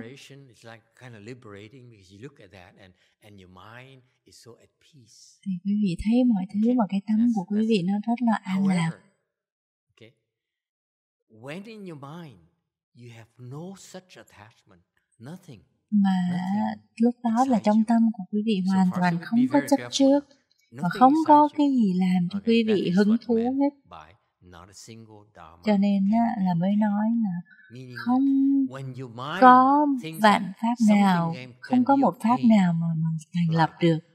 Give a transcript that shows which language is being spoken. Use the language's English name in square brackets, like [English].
[English] It's like kind of liberating because you look at that and your mind is so at peace. [Vietnamese] Thì quý vị thấy mọi thứ mà cái tâm của quý vị nó rất là an lạc. Okay. [English] When in your mind you have no such attachment, nothing. [Vietnamese] Mà lúc đó là trong tâm của quý vị hoàn toàn không có chấp trước và không có cái gì làm cho quý vị hứng thú hết. [English] Not a single dharma. [Vietnamese] Cho nên á, là mới nói là không [English] when your mind [Vietnamese] có vạn pháp nào, không có một pháp nào mà mình thành lập được.